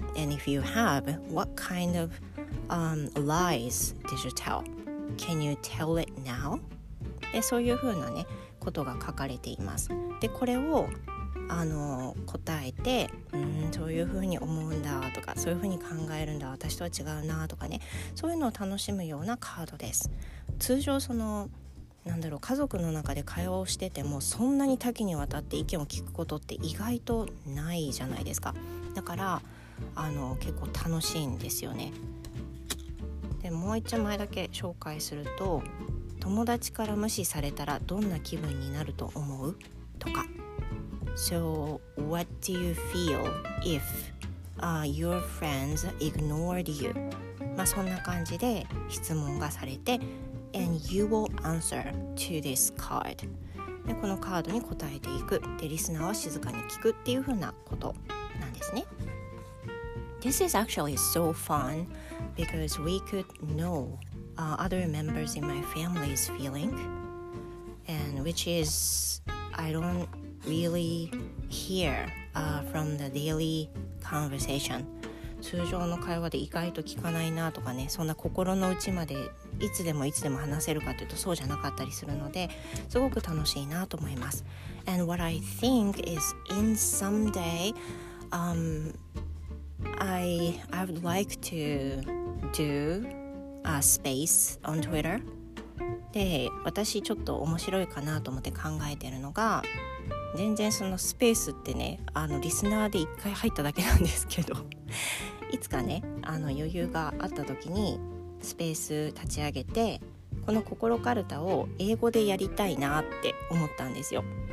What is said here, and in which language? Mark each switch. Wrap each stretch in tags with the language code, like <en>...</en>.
<en>And if you have, what kind of lies did you tell? Can you tell it now?</en> <ja>で、そういうふうなねことが書かれています。で、これを答えて、そういうふうに思うんだとか、そういうふうに考えるんだ、私とは違うなとかね、そういうのを楽しむようなカードです。通常そのなんだろう、家族の中で会話をしててもそんなに多岐にわたって意見を聞くことって意外とないじゃないですか。だから結構楽しいんですよね。で、もう一枚だけ紹介すると、友達から無視されたらどんな気分になると思う？とか。</ja> <en>So what do you feel if your friends ignored you?</en> <ja>まあそんな感じで質問がされて、</ja> <en>And you will answer to this card.</en> <ja>で、このカードに答えていく。で、リスナーは静かに聞くっていうふうなことなんですね。</ja> <en>This is actually so fun because we could knowother members in my family's feeling, and which is I don't really hear from the daily conversation.</en> <ja>通常の会話で意外と聞かないなとかね、そんな心の内までいつでもいつでも話せるかというとそうじゃなかったりするので、すごく楽しいなと思います。</ja> <en>And what I think is in someday I would like to do</en> <ja>スペース on Twitter で、私ちょっと面白いかなと思って考えてるのが、全然そのスペースってね、リスナーで一回入っただけなんですけどいつかね、余裕があった時にスペース立ち上げて、この心カルタを英語でやりたいなって思ったんですよ。</ja>